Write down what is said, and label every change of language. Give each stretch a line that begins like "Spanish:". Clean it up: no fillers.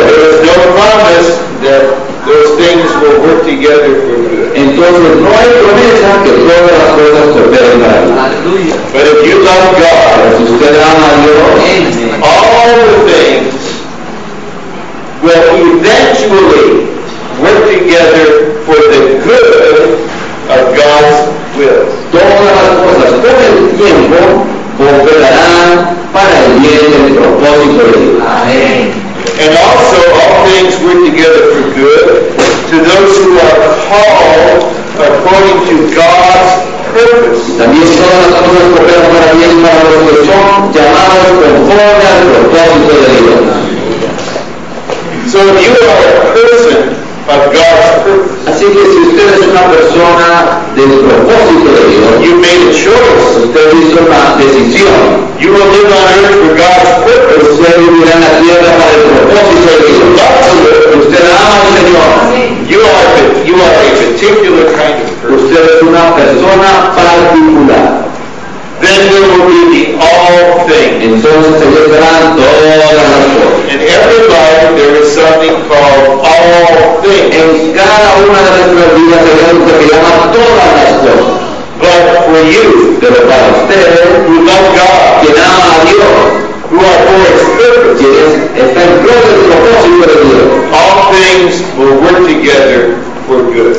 English: there is no promise that those things will work together for good.
Spanish: Entonces, no hay promesa que todas las cosas cooperen para bien.
English: But if you love God,
Spanish: si usted ama a Dios,
English: all the things will eventually work together for the good of God's will.
Spanish: Todas las cosas con el tiempo cooperarán para el bien del propósito de Dios. Amén.
English: And also all things work together for good to those who are called according to God's purpose.
Spanish: También todas las cosas cooperan para bien para los que son llamados conforme al propósito de Dios.
English: So if you are a person of God's purpose,
Spanish: así que si usted es una persona del propósito de Dios,
English: you made a choice.
Spanish: Usted hizo una decisión.
English: You will live on earth for God's purpose.
Spanish: Usted vivirá en la tierra para el propósito de Dios. Usted ama al Señor.
English: You are a particular kind of person.
Spanish: Usted es una persona particular.
English: Then there will be the all thing.
Spanish: Entonces se llevarán todas las cosas.
English: In every life there is something called all things.
Spanish: En cada una de nuestras vidas hay algo que se llama todas las cosas.
English: But for you,
Spanish: pero para usted,
English: who love God,
Spanish: que ama a Dios,
English: who are for His purpose,
Spanish: que está en pro del propósito de Dios,
English: all things will work together for good.